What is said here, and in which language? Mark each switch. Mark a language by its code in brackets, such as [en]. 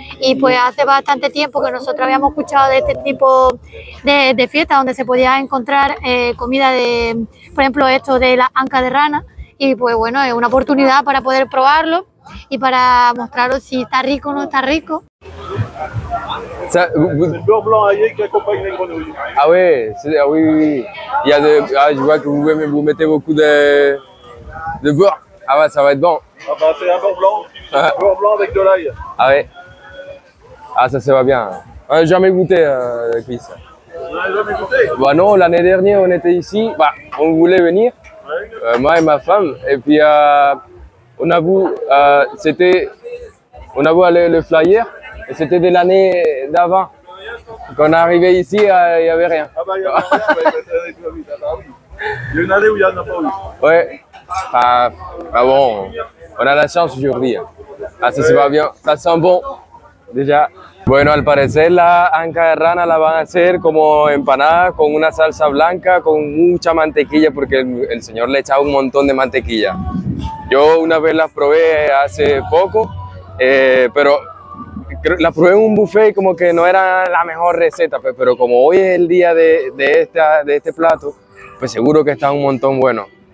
[es] Y pues hace bastante tiempo que nosotros habíamos escuchado de este tipo de fiestas donde se podía encontrar comida de, por ejemplo, esto de la anca de rana. Y pues bueno, es una oportunidad para poder probarlo y para mostraros si está rico o no está rico. [fr] Ça, vous... C'est le beurre blanc aillé qui accompagne les grenouilles. Ah ouais, c'est, ah oui, oui, oui. Il y a de, ah, je vois que vous mettez beaucoup de beurre. Ah bah ça va être bon. Ah bah c'est un beurre blanc, un beurre blanc avec de l'ail. Ah ouais. Ah ça va bien. On n'a jamais goûté la cuisse. On n'a jamais goûté. Bah non, l'année dernière on était ici, bah on voulait venir, ouais. Moi et ma femme, et puis on a vu, c'était, on a vu le flyer. C'était de l'année d'avant. Quand on est arrivé ici, il n'y avait rien. Ah bah il n'y avait rien, mais c'était avec la vie. Il y a une année où il n'y en a pas eu. Ouais. Ah, ah bon, on a la chance aujourd'hui. Ah ça se va bien, ça sent bon déjà. [es] Bueno, al parecer la anca de rana la van a hacer como empanada con una salsa blanca con mucha mantequilla porque el señor le echaba un montón de mantequilla. Yo una vez la probé hace poco, pero la probé en un buffet y como que no era la mejor receta, pues, pero como hoy es el día de este plato, pues seguro que está un montón bueno.